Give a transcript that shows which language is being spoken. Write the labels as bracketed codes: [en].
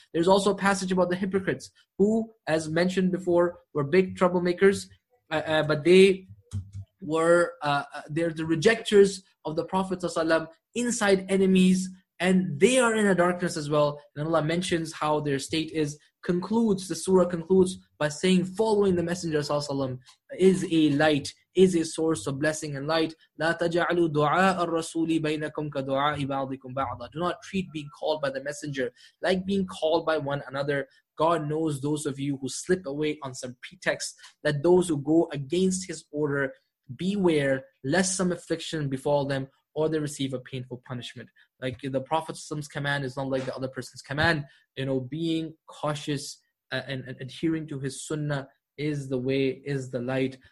[en] There's also a passage about the hypocrites who, as mentioned before, were big troublemakers, but they were they're the rejectors of the Prophet ﷺ inside enemies, and they are in a darkness as well. And Allah mentions how their state is, concludes, the surah concludes by saying, following the Messenger ﷺ is a light, is a source of blessing and light. [ar] لا تجعلوا دعاء الرسول بينكم كدعاء بعضكم بعضا. [en] Do not treat being called by the messenger like being called by one another. God knows those of you who slip away on some pretext. Let those who go against His order beware lest some affliction befall them or they receive a painful punishment. Like the Prophet's command is not like the other person's command. You know, being cautious and adhering to his sunnah is the way, is the light.